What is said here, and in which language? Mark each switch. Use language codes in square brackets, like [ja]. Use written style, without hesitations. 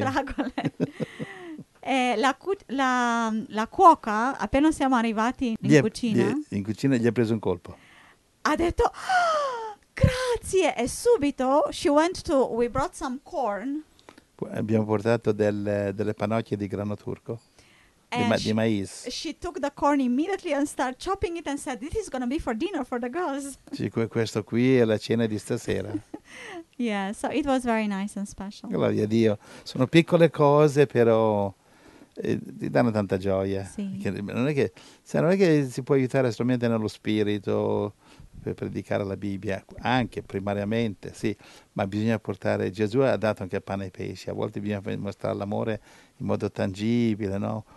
[it] Fragole. La cuoca, appena siamo arrivati in cucina, gli ha preso un colpo. Ha detto, grazie! E subito, [en] we brought some corn. [it] Abbiamo portato delle panocchie di grano turco, di mais. [en] She took the corn immediately and started chopping it and said, this is gonna be for dinner for the girls. [it] Cioè, questo qui è la cena di stasera. [en] Yeah, so it was very nice and special. [it] Gloria a Dio. Sono piccole cose, però ti danno tanta gioia. Sì. Non è che si può aiutare solamente nello spirito per predicare la Bibbia, anche primariamente, sì, ma bisogna portare. Gesù ha dato anche pane e pesci. A volte bisogna mostrare l'amore in modo tangibile, no?